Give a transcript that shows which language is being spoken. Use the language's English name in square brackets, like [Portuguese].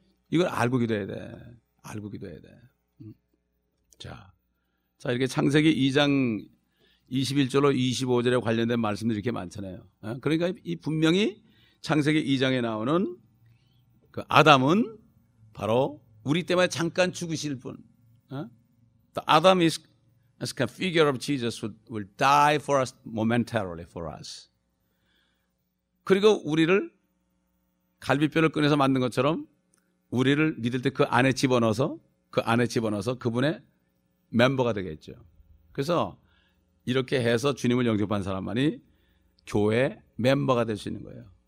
[Korean] 이걸 알고 기도해야 돼. 알고 기도해야 돼. 자, 이렇게 창세기 2장 21절로 25절에 관련된 말씀들이 이렇게 많잖아요. 그러니까 이 분명히 창세기 2장에 나오는 그 아담은 바로 우리 때문에 잠깐 죽으실 분. [English] The Adam is a kind of figure of Jesus who will die for us momentarily for us. [Korean] 그리고 우리를 갈비뼈를 꺼내서 만든 것처럼 우리를 믿을 때 그 안에 집어넣어서 그분의 멤버가 되겠죠. 그래서 이렇게 해서 주님을 영접한 사람만이 교회 멤버가 될 수 있는 거예요.